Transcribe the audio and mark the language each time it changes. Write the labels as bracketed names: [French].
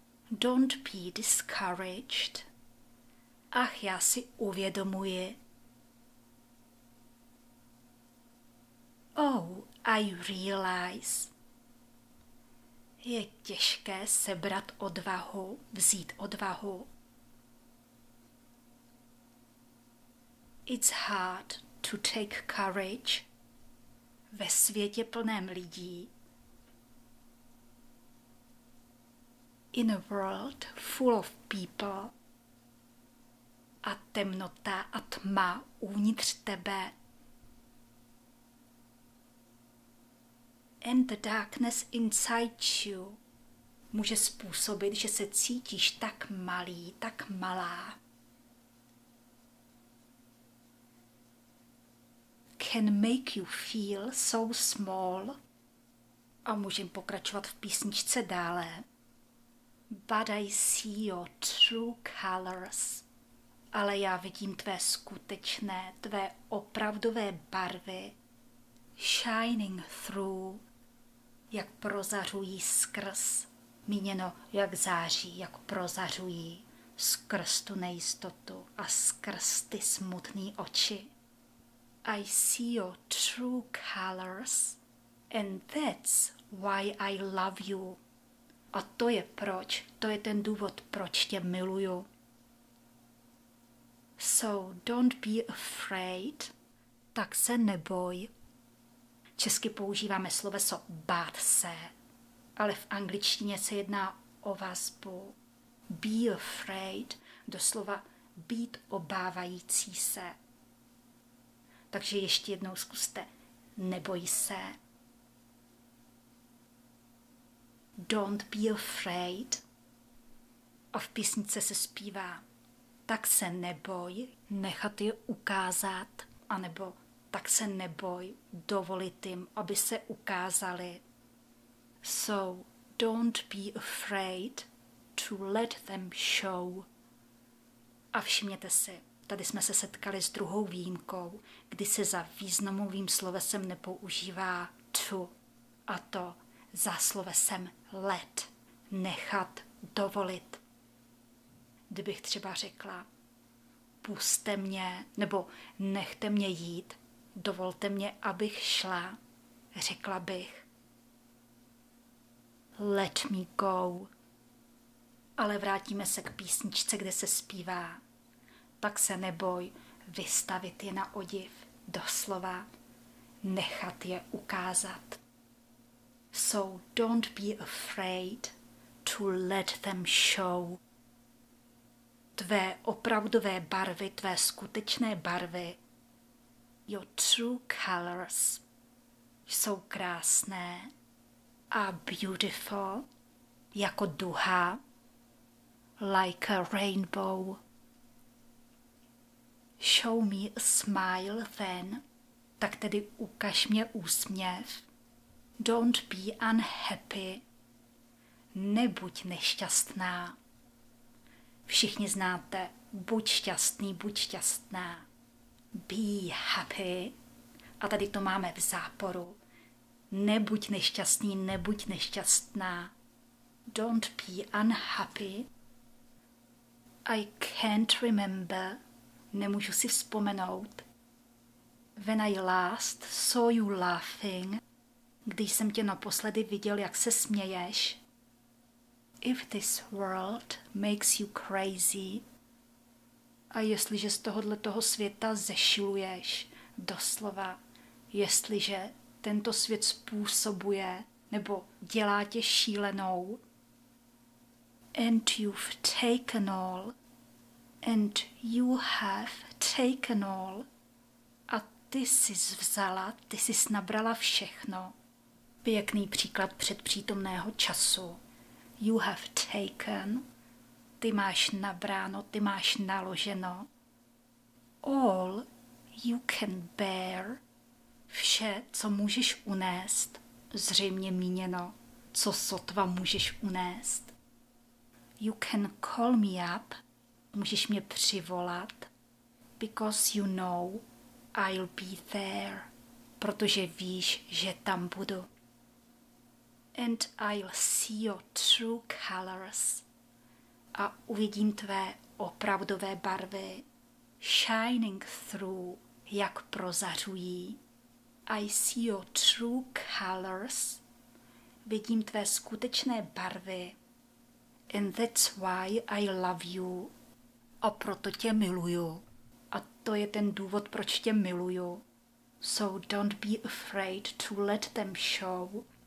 [English] Don't be discouraged. [Czech] Ach, já si uvědomuji. [English] Oh, I realize. [Czech] Je těžké sebrat odvahu, vzít odvahu. [English] It's hard to take courage. [Czech] Ve světě plném lidí. [English] In a world full of people. [Czech] A temnota a tma uvnitř tebe. [English] And the darkness inside you. [Czech] Může způsobit, že se cítíš tak malý, tak malá. [English] Can make you feel so small. [Czech] A můžem pokračovat v písničce dále. [English] But I see your true colors. [Czech] Ale já vidím tvé skutečné, tvé opravdové barvy. [English] Shining through. [Czech] jak prozařují skrz, míněno jak září, jak prozařují skrz tu nejistotu a skrz ty smutný oči. [English] I see your true colors and that's why I love you. [Czech] A to je proč, to je ten důvod, proč tě miluju. [English] So don't be afraid, [Czech] tak se neboj. Česky používáme sloveso bát se, ale v angličtině se jedná o vazbu. Be afraid, doslova být obávající se. Takže ještě jednou zkuste, neboj se. [English] Don't be afraid. [Czech] A v písnice se zpívá, tak se neboj nechat je ukázat, anebo tak se neboj dovolit jim, aby se ukázali. [English] So don't be afraid to let them show. [Czech] A všimněte si, tady jsme se setkali s druhou výjimkou, kdy se za významovým slovesem nepoužívá to, a to za slovesem let, nechat, dovolit. Kdybych třeba řekla, puste mě, nebo nechte mě jít, dovolte mě, abych šla, řekla bych, [English] let me go. [Czech] Ale vrátíme se k písničce, kde se zpívá, tak se neboj vystavit je na odiv, doslova nechat je ukázat. [English] So don't be afraid to let them show. [Czech] Tvé opravdové barvy, tvé skutečné barvy, [English] your true colors, [Czech] jsou krásné a beautiful, jako duha, [English] like a rainbow. Show me a smile then, [Czech] tak tedy ukaž mě úsměv. [English] Don't be unhappy. [Czech] Nebuď nešťastná. Všichni znáte, buď šťastný, buď šťastná. [English] Be happy. [Czech] A tady to máme v záporu. Nebuď nešťastný, nebuď nešťastná. [English] Don't be unhappy. I can't remember. [Czech] Nemůžu si vzpomenout. [English] When I last saw you laughing. [Czech] Když jsem tě naposledy viděl, jak se směješ. [English] If this world makes you crazy. [Czech] A jestliže z tohohle toho světa zešiluješ, doslova, jestliže tento svět způsobuje nebo dělá tě šílenou. [English] And you've taken all. And you have taken all. [Czech] A ty jsi vzala, ty jsi nabrala všechno. Pěkný příklad předpřítomného času. [English] You have taken. [Czech] Ty máš nabráno, ty máš naloženo. [English] All you can bear. [Czech] Vše, co můžeš unést. Zřejmě míněno, co sotva můžeš unést. [English] You can call me up. [Czech] Můžeš mě přivolat. [English] Because you know I'll be there. [Czech] Protože víš, že tam budu. [English] And I'll see your true colors. [Czech] A uvidím tvé opravdové barvy. [English] Shining through, [Czech] jak prozařují. [English] I see your true colors. [Czech] Vidím tvé skutečné barvy. [English] And that's why I love you. [Czech] A proto tě miluju. A to je ten důvod, proč tě miluju. [English] So don't be afraid to let them show.